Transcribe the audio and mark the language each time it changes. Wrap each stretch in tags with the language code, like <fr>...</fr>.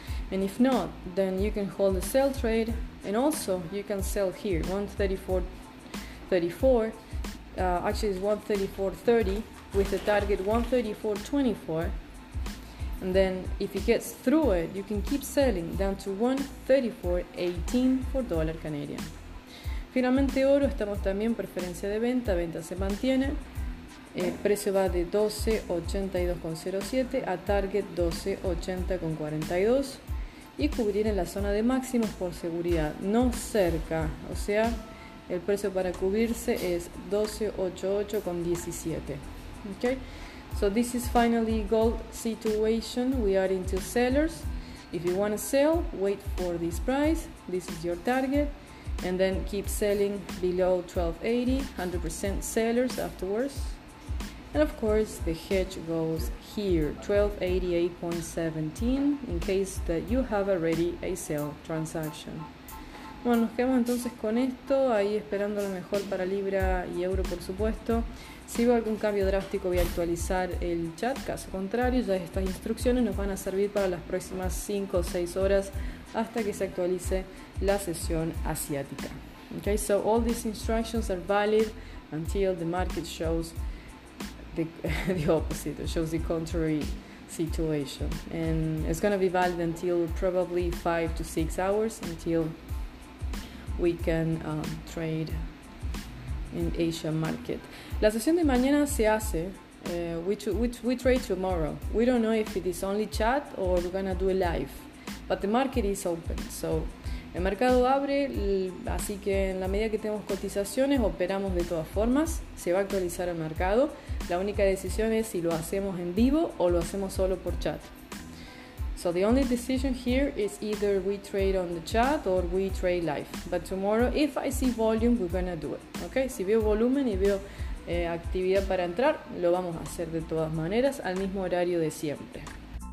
<en>And if not, then you can hold the sell trade, and also you can sell here, 134.34, actually it's 134.30 with the target 134.24, and then if it gets through it, you can keep selling down to 134.18 for dollar Canadian.</en> <es>Finalmente oro, estamos también preferencia de venta, venta se mantiene. Precio va de 12.82.07 a target 12.80.42. Y cubrir en la zona de máximos por seguridad, no cerca, o sea, el precio para cubrirse es 12.88.17.</es> <en>Okay, so this is finally gold situation. We are into sellers. If you want to sell, wait for this price. This is your target, and then keep selling below 12.80, 100% sellers afterwards. And of course, the hedge goes here, 1288.17, in case that you have already a sale transaction.</en> <es>Bueno, nos quedamos entonces con esto, ahí esperando lo mejor para Libra y Euro, por supuesto. Si veo algún cambio drástico, voy a actualizar el chat, caso contrario, ya estas instrucciones nos van a servir para las próximas 5 o 6 horas hasta que se actualice la sesión asiática.</es> <en>Okay, so all these instructions are valid until the market shows the opposite, it shows the contrary situation, and it's going to be valid until probably 5 to 6 hours until we can trade in Asia market.</en> <es>La sesión de mañana se hace,</es> <en>we trade tomorrow. We don't know if it is only chat or we're going to do a live, but the market is open, so</en> <es>el mercado abre, así que en la medida que tenemos cotizaciones, operamos de todas formas, se va a actualizar el mercado. La única decisión es si lo hacemos en vivo o lo hacemos solo por chat.</es> <en>So the only decision here is either we trade on the chat or we trade live. But tomorrow, if I see volume, we're going to do it. Okay?</en> <es>Si veo volumen y veo actividad para entrar, lo vamos a hacer de todas maneras al mismo horario de siempre.</es>